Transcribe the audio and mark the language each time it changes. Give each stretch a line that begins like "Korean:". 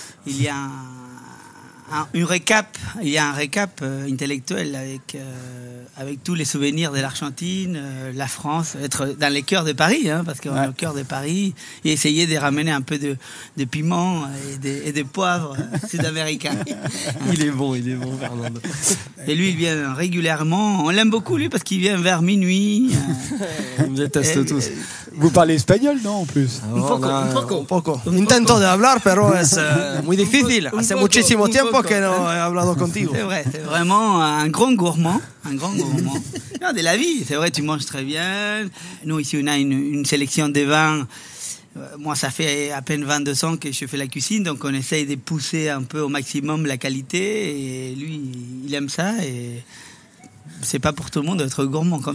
French: Il y a un récap intellectuel avec tous les souvenirs de l'Argentine, la France, être dans les cœurs de Paris, hein, parce qu'on est au cœur de Paris, et essayer de ramener un peu de piment et de poivre sud-américain. Il est bon, Fernando. Et lui, il vient régulièrement. On l'aime beaucoup, lui, parce qu'il vient vers minuit. On me déteste tous. Vous parlez espagnol, non, en plus?
Spanish: Un poco. Intento de hablar, pero es muy difícil. Hace muchísimo tiempo que no he hablado contigo.
French: C'est vrai, c'est vraiment un grand gourmand. Non, de la vie, c'est vrai, tu manges très bien. Nous, ici, on a une sélection de vins. Moi, ça fait à peine 22 ans que je fais la cuisine, donc on essaye de pousser un peu au maximum la qualité. Et lui, il aime ça et... C'est pas pour tout le monde d'être gourmand comme